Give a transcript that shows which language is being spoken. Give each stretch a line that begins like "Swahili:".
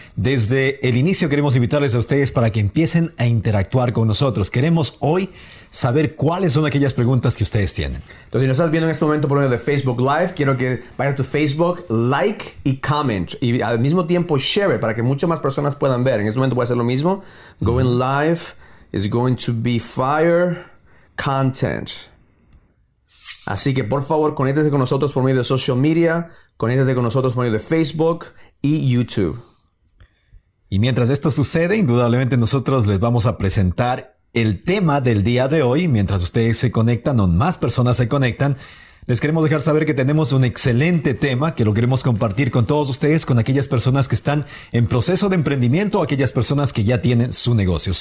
Spanish: Desde el inicio queremos invitarles a ustedes para que empiecen a interactuar con nosotros. Queremos hoy saber cuáles son aquellas preguntas que ustedes tienen. Entonces, si nos estás viendo en este momento por medio de Facebook Live, quiero que vayas a tu Facebook, like y comment. Y al mismo tiempo, share para que muchas más personas puedan ver. En este momento voy a hacer lo mismo.
English: Going live is going to be fire content.
Spanish: Así que, por favor, conéctate con nosotros por medio de social media, conéctate con nosotros por medio de Facebook y YouTube. Y mientras esto sucede, indudablemente nosotros les vamos a presentar el tema del día de hoy. Mientras ustedes se conectan o más personas se conectan, les queremos dejar saber que tenemos un excelente tema que lo queremos compartir con todos ustedes, con aquellas personas que están en proceso de emprendimiento, aquellas personas que ya tienen su negocio.